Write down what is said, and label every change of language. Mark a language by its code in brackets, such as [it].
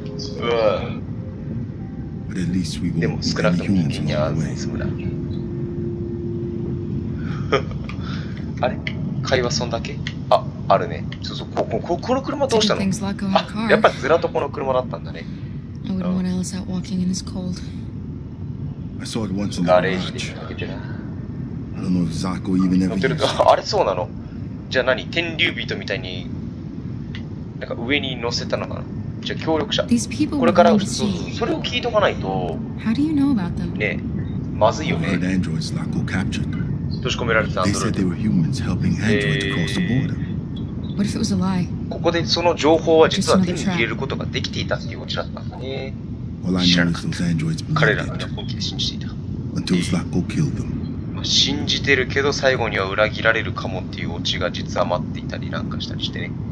[ja] うわ、でも少なくとも人間に合わないそうだ。あれ、会話そんだけ。あ、あるね。そうそう、この車どうしたの。あ、やっぱりずらとこの車だったんだね。 [en] I wouldn't want Alice out walking in this cold. I saw it once in the garage. I don't know if Zako even ever used it. [ja] あれそうなの。じゃあ何、天竜人みたいになんか上に乗せたのかな。じゃあ協力者。 [en] These people [ja] これから それを聞いとかないと。 [en] How do you know about them? [ja] ね、まずいよね。 [en] I heard androids Zako captured. [ja] 閉じ込められたアンドロイド。 [en] They said they were humans helping androids cross the border. What if it was a lie? [ja] ここでその情報は実は手に入れることができていたっていうオチだったんだね。知らなかった。彼らが本気で信じていた。 [en] Zako killed them. [ja] 信じてるけど最後には裏切られるかもっていうオチが実は待っていたりなんかしたりしてね。